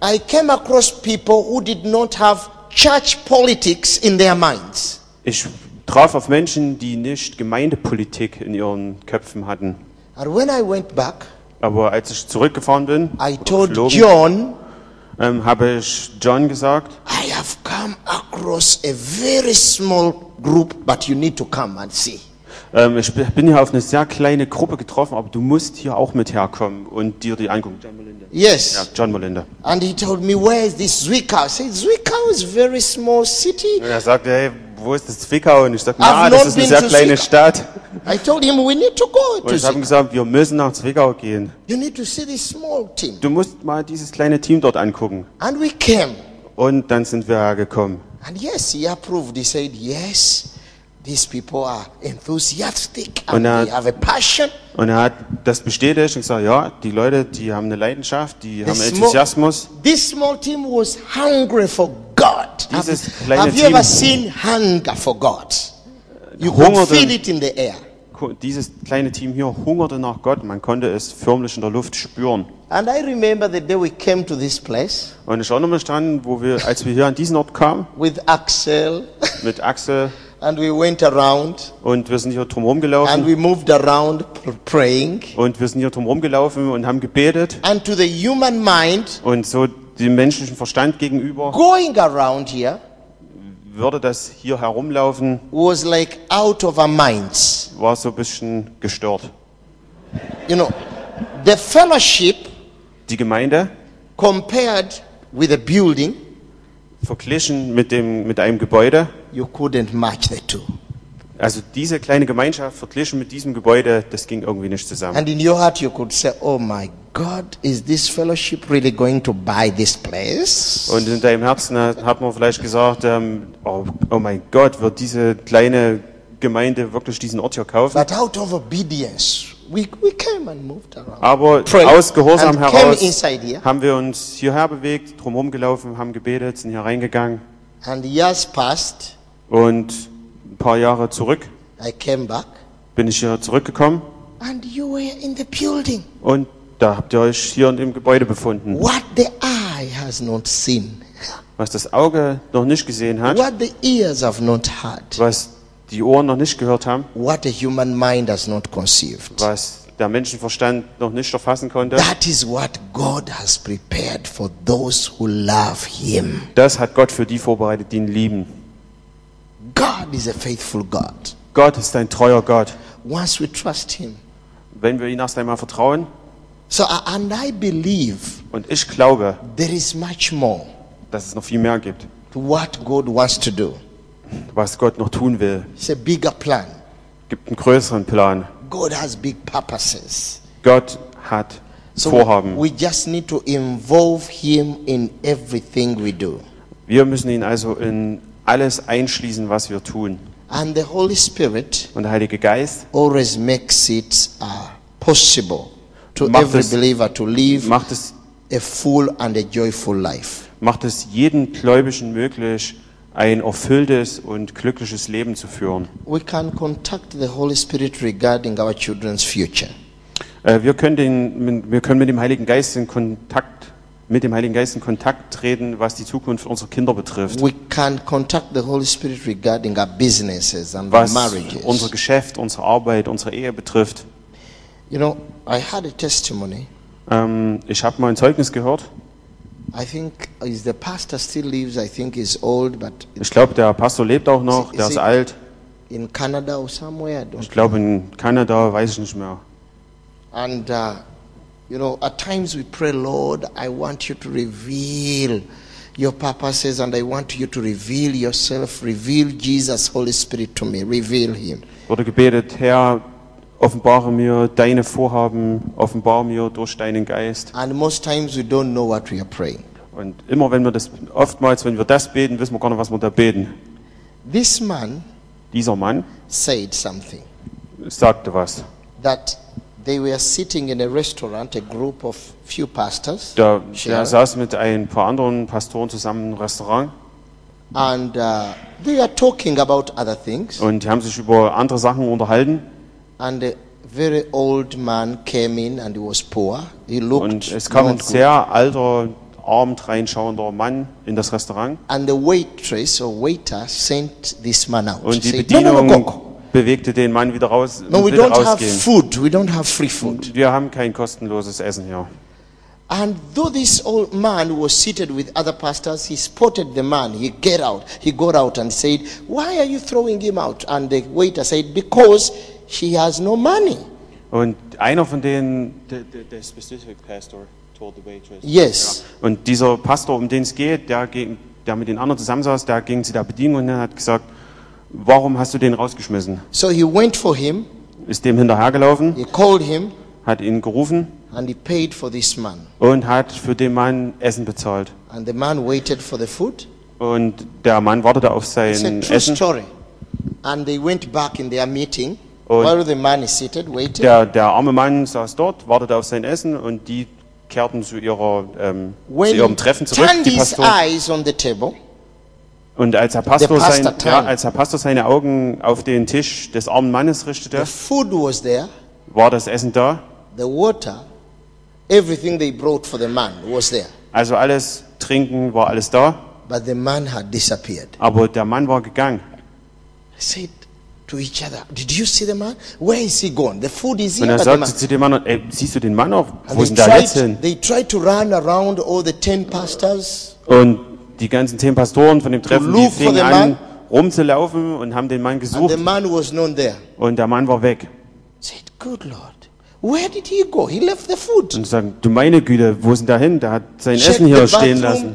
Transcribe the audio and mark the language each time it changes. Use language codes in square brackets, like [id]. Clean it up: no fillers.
[en] I came across people who did not have church politics in their minds. [de] Ich traf auf Menschen, die nicht Gemeindepolitik in ihren Köpfen hatten. [en] And when I went back, [de] aber als ich zurückgefahren bin, [en] I told [de] geflogen, [en] John, [de] habe ich John gesagt, [en] I have come across a very small group, but you need to come and see. [de] Ich bin hier auf eine sehr kleine Gruppe getroffen, aber du musst hier auch mit herkommen und dir die angucken. [en] John Melinda. Yes. [de] Ja, John Melinda. [en] And he told me, where is this Zwickau? I said, Zwickau is a very small city. [de] Und er sagte, hey, wo ist das Zwickau? Und ich sagte, ah, das ist eine sehr kleine Stadt. [en] I told him, we need to go [de] und ich habe ihm gesagt, wir müssen nach Zwickau gehen. [en] You need to see this small team. [de] Du musst mal dieses kleine Team dort angucken. [en] And we came. [de] Und dann sind wir hergekommen. [en] And yes, he approved. He said, yes. These people are enthusiastic and they have a passion. [de] Und er hat das bestätigt und gesagt, ja, die Leute, die haben eine Leidenschaft, die haben Enthusiasmus. [en] This small team was hungry for God. [de] Dieses kleine [en] Team. Have you ever seen hunger for God? You could feel it in the air. [de] Dieses kleine Team hier hungerte nach Gott. Man konnte es förmlich in der Luft spüren. [en] And I remember the day we came to this place. [de] Und ich erinnere mich daran, wo wir, als wir hier an diesen Ort kamen. [en] With Axel. [de] Mit Axel. [en] And we went around. [de] Und wir sind hier drum rumgelaufen. [en] And we moved around praying. [de] Und wir sind hier drum rumgelaufen und haben gebetet. [en] And to the human mind. [de] Und so dem menschlichen Verstand gegenüber. [en] Going around here. [de] Würde das hier herumlaufen. [en] Was like out of our minds. [de] War so ein bisschen gestört. [en] You know, the fellowship. [de] Die Gemeinde. [en] Compared with a building. [de] verglichen mit einem Gebäude. [en] You couldn't match the two. [de] Also diese kleine Gemeinschaft verglichen mit diesem Gebäude, das ging irgendwie nicht zusammen. [en] And in your heart you could say, oh my God, is this fellowship really going to buy this place? [de] Und in deinem Herzen hat man vielleicht gesagt, oh mein Gott, wird diese kleine Gemeinde wirklich diesen Ort hier kaufen? [en] But out of obedience, we came and moved around. [de] Aber [en] prayed, [de] aus Gehorsam heraus haben wir uns hierher bewegt, drumherum gelaufen, haben gebetet, sind hier reingegangen. [en] And years passed. [de] Und ein paar Jahre zurück [en] I came back, [de] bin ich hier zurückgekommen [en] and you were in the building. [de] Und da habt ihr euch hier in dem Gebäude befunden. [en] What the eye has not seen, [de] was das Auge noch nicht gesehen hat, [en] what the ears have not heard, [de] was die Ohren noch nicht gehört haben, [en] what the human mind has not conceived, [de] was der Menschenverstand noch nicht erfassen konnte, [en] that is what God has prepared for those who love him. [de] Das hat Gott für die vorbereitet, die ihn lieben. [en] God is a faithful God. [de] Gott ist ein treuer Gott. [en] Once we trust him. [de] Wenn wir ihm erst einmal vertrauen. [en] So and I believe. [de] Und ich glaube. [en] There is much more. [de] Dass es noch viel mehr gibt. [en] To what God wants to do. [de] Was Gott noch tun will. [en] It's a bigger plan. [de] Gibt einen größeren Plan. [en] God has big purposes. [de] Gott hat so Vorhaben. [en] We just need to involve him in everything we do. [de] Wir müssen ihn also in alles einschließen, was wir tun. [en] And the Holy Spirit [de] und der Heilige Geist [en] always makes it possible to every believer to live [de] macht es, [en] a full and a joyful life. [de] Macht es jeden Gläubigen möglich, ein erfülltes und glückliches Leben zu führen. [en] We can contact the Holy Spirit regarding our children's future. [de] Wir können mit dem Heiligen Geist in Kontakt mit dem Heiligen Geist in Kontakt treten, was die Zukunft unserer Kinder betrifft. [en] We can contact the Holy Spirit regarding our businesses and [de] was [en] marriages. [de] Unser Geschäft, unsere Arbeit, unsere Ehe betrifft. [en] You know, I had a testimony. [de] Ich habe mal ein Zeugnis gehört. [en] I think is the pastor still lives. I think he's old, but [de] ich glaube, der Pastor lebt auch noch. Is der ist alt. [en] In Canada or somewhere? [de] Ich glaube in Kanada, weiß ich nicht mehr. [en] And you know, at times we pray, Lord, I want you to reveal your purposes and I want you to reveal yourself, reveal Jesus, Holy Spirit to me, reveal him. [de] Wurde gebetet, Herr, offenbare mir deine Vorhaben, offenbare mir durch deinen Geist. [en] And most times we don't know what we are praying. [de] Und immer wenn wir das, oftmals wenn wir das beten, wissen wir gar nicht, was wir da beten. [en] This man, [de] dieser Mann, [en] said something. [de] Sagte was. [en] That they were sitting in a restaurant, a group of few pastors. [de] Da saß mit ein paar anderen Pastoren zusammen im Restaurant. [en] And they are talking about other things. [de] Und die haben sich über andere Sachen unterhalten. [en] And a very old man came in and he was poor. He looked [de] und es kam ein sehr alter, arm reinschauender Mann in das Restaurant. [en] And the waitress or waiter sent this man out. [de] Und die Bedienung bewegte den Mann wieder raus. [en] No, we don't have food. We don't have free food. [de] Wir haben kein kostenloses Essen hier. [en] And though this old man was seated with other pastors, he spotted the man. He get out. He got out and said, "Why are you throwing him out?" And the waiter said, "Because he has no money." [de] Und einer von denen, [en] the specific pastor told the waitress. Yes. [de] Und dieser Pastor, um den es geht, der mit den anderen zusammensaß, da ging zu der Bedienung und hat gesagt, warum hast du den rausgeschmissen? [en] So he went for him, [de] ist dem hinterhergelaufen, [en] he called him, [de] hat ihn gerufen [en] and he paid for this man. [de] Und hat für den Mann Essen bezahlt. [en] And the man waited for the food. [de] Und der Mann wartete auf sein Essen. [en] Story. And they went back in their meeting while the man is seated, waiting. [de] Der arme Mann saß dort, wartete auf sein Essen und die kehrten zu ihrem Treffen zurück. [en] When he turned his eyes on the table, [de] und als der Pastor, seine Augen auf den Tisch des armen Mannes richtete, [en] the food was there, [de] war das Essen da. [en] The water, everything they brought for the man was there. [de] Also alles Trinken war alles da. [en] But the man had disappeared. [de] Aber der Mann war gegangen. [en] I said to each other, "Did you see the man? Where is he gone? The food is here." [de] Und er sagte zu dem Mann, siehst du den Mann noch? Wo ist der jetzt hin? [en] They tried to run around all the 10 pastors. [de] Und die ganzen 10 Pastoren von dem Treffen, die fingen an, rumzulaufen und haben den Mann gesucht. [en] And [de] und der Mann war weg. [en] Said, "Good Lord, where did he go? He left the food." [de] Und sagen, du meine Güte, wo ist denn der hin? Der hat sein Essen hier stehen lassen.